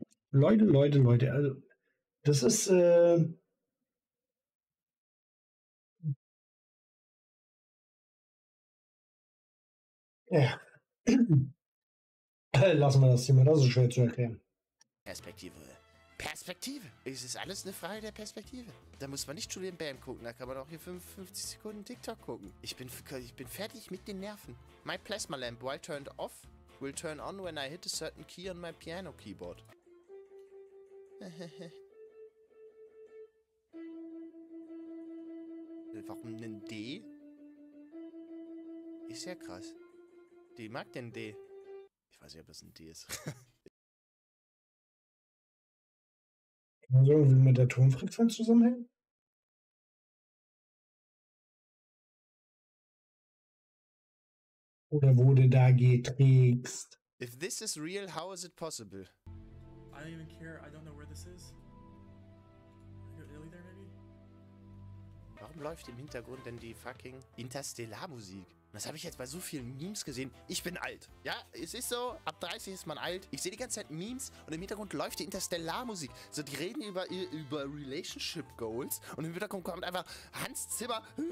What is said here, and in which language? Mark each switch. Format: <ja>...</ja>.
<de>Leute. Also, das ist, ja. Lassen wir das Thema, das ist schwer zu erklären. Perspektive! Es ist alles eine Frage der Perspektive. Da muss man nicht Julian Bam gucken, da kann man auch hier 55 Sekunden TikTok gucken. Ich bin fertig mit den Nerven.</de> <en>My Plasma Lamp, while turned off, will turn on when I hit a certain key on my piano keyboard.</en> <de>Warum ein D? Ist ja krass. Die mag den D. Ich weiß nicht, ob das ein D ist. Kann so irgendwie mit der Tonfrequenz zusammenhängen? Oder wurde da getrickst?</de> <en>If this is real, how is it possible? I don't even care, I don't know where this is. Italy there maybe?</en> <de>Warum läuft im Hintergrund denn die fucking Interstellar-Musik? Das habe ich jetzt bei so vielen Memes gesehen. Ich bin alt. Ja, es ist so, ab 30 ist man alt. Ich sehe die ganze Zeit Memes und im Hintergrund läuft die Interstellar-Musik. So, die reden über Relationship Goals und im Hintergrund kommt einfach Hans Zimmer.</de>